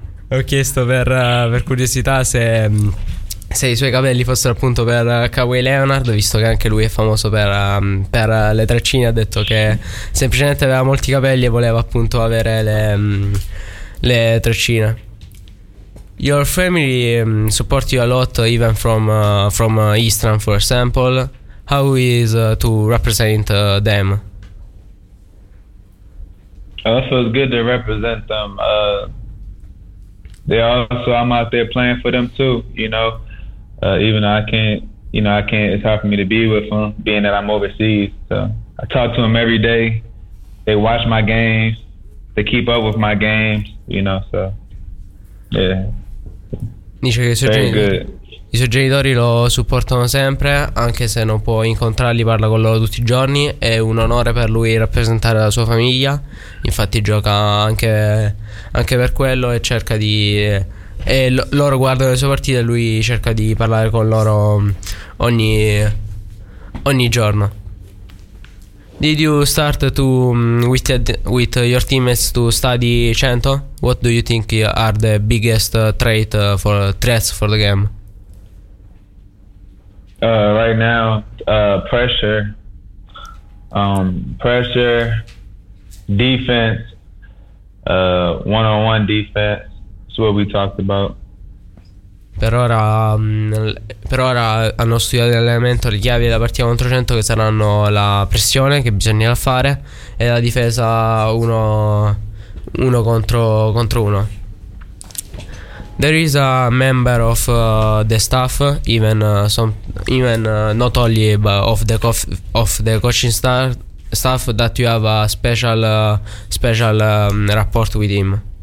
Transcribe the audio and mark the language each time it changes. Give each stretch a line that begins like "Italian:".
Italian: Ho chiesto per curiosità se i suoi capelli fossero appunto per Kawhi Leonard, visto che anche lui è famoso per le treccine. Ha detto che semplicemente aveva molti capelli e voleva appunto avere le treccine.
English: Your family support you a lot, even from Eastern, for example. How is to represent them? Oh, it feels good to represent them. They also, I'm out there playing for them too, you know. Even though I can't, it's hard for me to be with them, being that I'm overseas. So I talk to them every day. They watch my games. They keep up with my games, you know, so, yeah. Very good.
Italian: I suoi genitori lo supportano sempre, anche se non può incontrarli, parla con loro tutti i giorni. È un onore per lui rappresentare la sua famiglia, infatti gioca anche per quello e cerca di... E loro guardano le sue partite e lui cerca di parlare con loro ogni giorno.
English: Did you start with your teammates to study Cento? What do you think are the biggest threats for the game? Right now, pressure, defense, one-on-one defense, is what we talked about.
Italian: Per ora hanno studiato l'allenamento, le chiavi della partita contro Cento, che saranno la pressione che bisogna fare e la difesa uno contro uno.
English: There is a member of the staff, not only of the coaching staff, that you have a special rapport with him.